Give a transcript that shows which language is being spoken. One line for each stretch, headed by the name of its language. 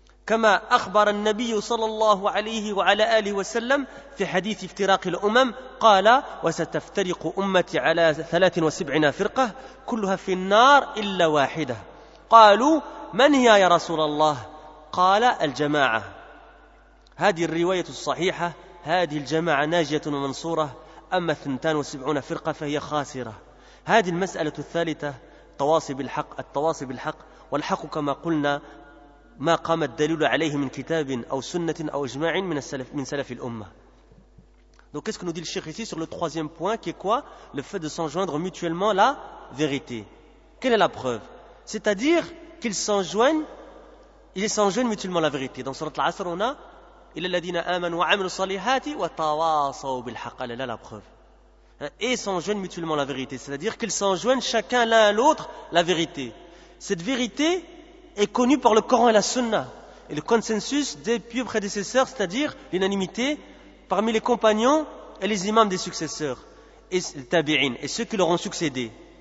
Arabic: كما أخبر النبي صلى الله عليه وعلى آله وسلم في حديث افتراق الأمم قال وستفترق أمتي على 73 فرقة كلها في النار إلا واحدة قالوا من هي يا رسول الله قال الجماعة هذه الرواية الصحيحة هذه الجماعة ناجية ومنصورة أما 72 فرقة فهي خاسرة هذه المسألة الثالثة التواصي بالحق والحق كما قلنا ما قام الدليل عليه من كتاب أو سنة أو إجماع من السلف من سلف الأمة.
French: Donc qu'est-ce que nous dit le cheikh ici sur le troisième point qui est quoi? Le fait de s'enjoindre mutuellement la vérité. Quelle est la preuve? C'est-à-dire qu'ils s'enjoignent, ils s'enjoignent mutuellement la vérité. Dans surat al-Asr on a
Arabic: إِلَى الَّذِينَ آمَنُوا وَعَمِلُوا الصَّالِحَاتِ وَتَوَاصَوْا بِالْحَقِّ.
French: Elle est là la preuve. Et s'enjoignent mutuellement la vérité. C'est-à-dire qu'ils s'enjoignent chacun l'un à l'autre la vérité. Cette vérité est connue par le Coran et la Sunna. Et le consensus des pieux prédécesseurs, c'est-à-dire l'unanimité parmi les compagnons et les imams des successeurs, et les tabi'in, et ceux qui leur ont succédé.